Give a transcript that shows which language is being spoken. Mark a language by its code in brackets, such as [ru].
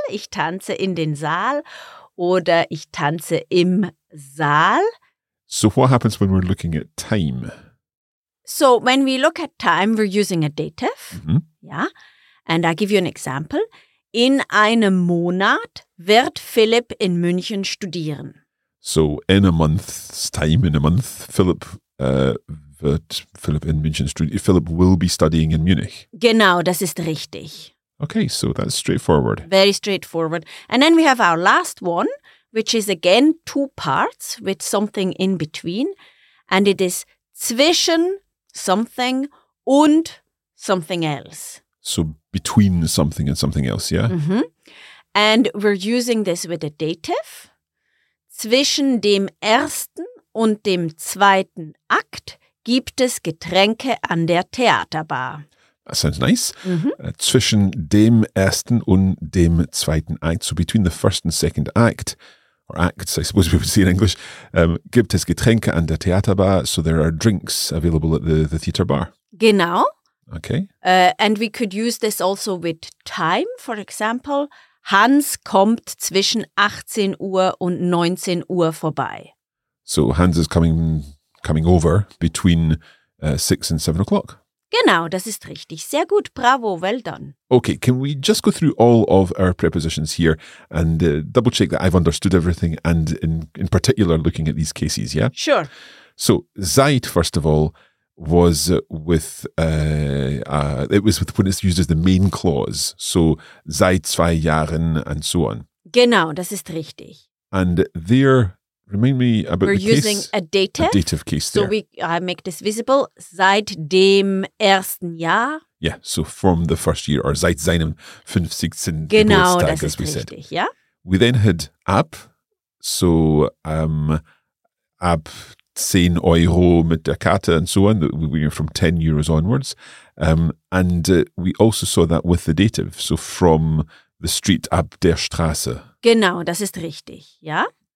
[de] Ich tanze in den Saal. Oder ich tanze im Saal. [en] So what happens when we're looking at time? So when we look at time, we're using a dative. Mm-hmm. Yeah. And I give you an example. [de] In einem Monat wird Philipp in München studieren. [en] So in a month's time, in a month, [de] Philipp wird Philipp in München studieren. [en] Philipp will be studying in Munich. [de] Genau, das ist richtig. [en] Okay, so that's straightforward. Very straightforward. And then we have our last one, which is again two parts with something in between. And it is zwischen something und something else. So between something and something else, yeah? Mm-hmm. And we're using this with a dative. [de] Zwischen dem ersten und dem zweiten Akt gibt es Getränke an der Theaterbar. [en] That sounds nice. Mm-hmm. [de] Zwischen dem ersten und dem zweiten Akt. [en] So between the first and second act, or acts, I suppose we would say in English, [de] gibt es Getränke an der Theaterbar. [en] So there are drinks available at the theater bar. [de] Genau. [en] Okay. And we could use this also with time, for example. [de] Hans kommt zwischen 18 Uhr und 19 Uhr vorbei. [en] So Hans is coming over between 6 and 7 o'clock. [de] Genau, das ist richtig. Sehr gut. Bravo. [en] Well done. Okay, can we just go through all of our prepositions here and double check that I've understood everything and in particular looking at these cases, yeah? Sure. So, Zeit, first of all, was with, it was with when it's used as the main clause. So, [de] seit zwei Jahren [en] and so on. [de] Genau, das ist richtig. [en] And there, remind me about we're the case. We're using a dative. A dative case there. So I make this visible. [de] Seit dem ersten Jahr. [en] Yeah, so from the first year or [de] seit seinem 15. Genau, Geburtstag, das ist [en] as we [de] richtig, [en] said. Yeah. We then had ab. [de] So ab 10 Euro mit der Karte [en] and so on. We were from 10 euros onwards. We also saw that with the dative. So from the street [de] ab der Straße. Genau, das ist richtig, yeah.